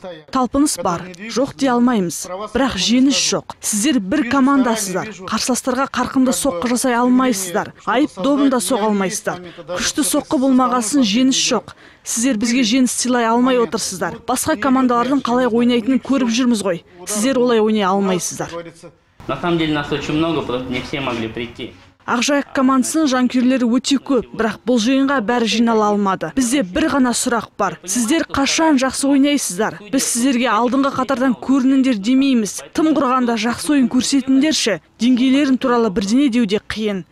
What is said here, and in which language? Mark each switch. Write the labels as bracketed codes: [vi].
[kk] Талпыныс бар, жоқ дей алмаймыз, бірақ жеңіс жоқ. Сіздер бір командасыздар, қарсыластарға қарқынды соққы жасай алмайсыздар, айып добында соға алмайсыздар. Күшті соққы болмағасын жеңіс жоқ. Сіздер бізге жеңіс сыйлай алмай отырсыздар. Басқа командалардың қалай ойнайтынын көріп жүрміз ғой. Сіздер олай ойнай алмайсыздар. [ru] На самом деле нас очень много, просто не все могли прийти. [kk] Ақжайық командасының жанкүйерлері өте көп, бірақ бұл жиынға бәрі жинала алмады. Бізде бір ғана сұрақ бар. Сіздер қашан жақсы ойнайсыздар? Біз сіздерге алдыңғы қатардан көрініңдер демейміз. Тым құрғанда жақсы ойын көрсетіндерші, деңгейлерін туралы бірдене деуде қиын.